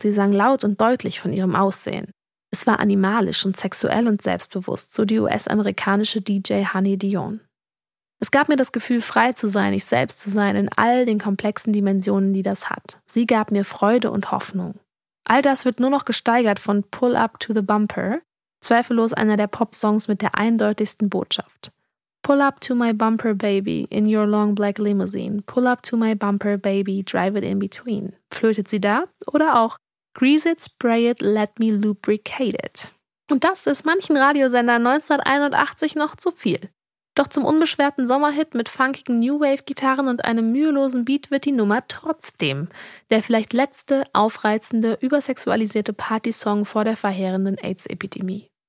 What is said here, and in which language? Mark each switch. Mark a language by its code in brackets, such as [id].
[de] Sie sang laut und deutlich von ihrem Aussehen. Es war animalisch und sexuell und selbstbewusst, so die US-amerikanische DJ Honey Dion. Es gab mir das Gefühl, frei zu sein, ich selbst zu sein, in all den komplexen Dimensionen, die das hat. Sie gab mir Freude und Hoffnung. All das wird nur noch gesteigert von Pull Up to the Bumper, zweifellos einer der Pop-Songs mit der eindeutigsten Botschaft. [en] Pull up to my bumper, baby, in your long black limousine. Pull up to my bumper, baby, drive it in between. [de] Flötet sie da? Oder auch [en] Grease it, spray it, let me lubricate it. [de] Und das ist manchen Radiosendern 1981 noch zu viel. Doch zum unbeschwerten Sommerhit mit funkigen New Wave-Gitarren und einem mühelosen Beat wird die Nummer trotzdem der vielleicht letzte aufreizende, übersexualisierte Partysong vor der verheerenden AIDS-Epidemie.